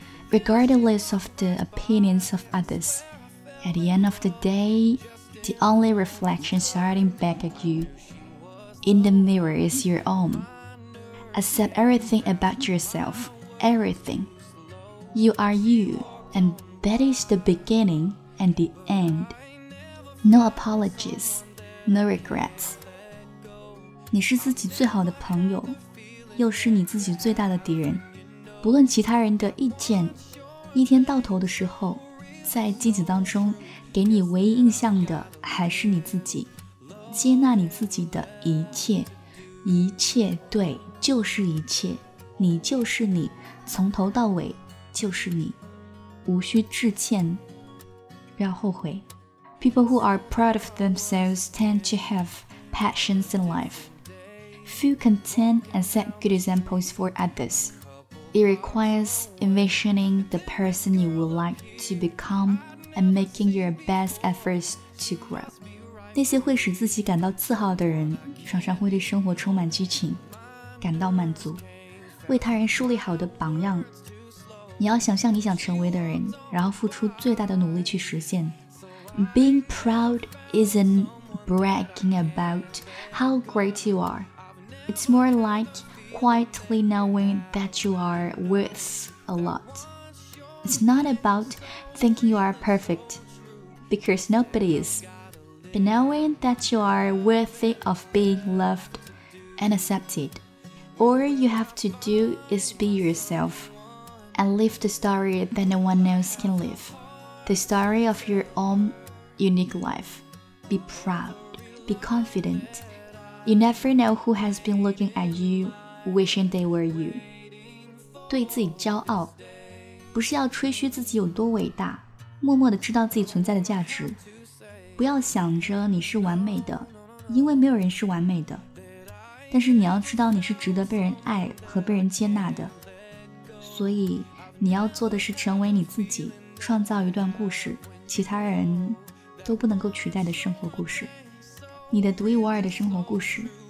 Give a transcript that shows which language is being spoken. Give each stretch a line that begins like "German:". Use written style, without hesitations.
English: Regardless of the opinions of others, at the end of the day, the only reflection starting back at you in the mirror is your own. Accept everything about yourself, everything. You are you, and that is the beginning and the end. No apologies, no regrets.
Chinese: 你是自己最好的朋友，又是你自己最大的敌人。不论其他人的意见，一天到头的时候，在镜子当中给你唯一印象的还是你自己。接纳你自己的一切，一切对。就是一切，你就是你，从头到尾就是你，无需致歉，不要后悔。
English: People who are proud of themselves tend to have passions in life. Feel content and set good examples for others. It requires envisioning the person you would like to become and making your best efforts to grow.
Chinese: 那些会使自己感到自豪的人，常常会对生活充满激情。感到满足，为他人树立好的榜样。你要想象你想成为的人，然后付出最大的努力去实现。
English: Being proud isn't bragging about how great you are. It's more like quietly knowing that you are worth a lot. It's not about thinking you are perfect, because nobody is. But knowing that you are worthy of being loved and accepted. All you have to do is be yourself and live the story that no one else can live. The story of your own unique life. Be proud. Be confident. You never know who has been looking at you wishing they were you.
Chinese: 对自己骄傲，不是要吹嘘自己有多伟大，默默地知道自己存在的价值。不要想着你是完美的，因为没有人是完美的。但是你要知道你是值得被人爱和被人接纳的，所以你要做的是成为你自己，创造一段故事，其他人都不能够取代的生活故事，你的独一无二的生活故事。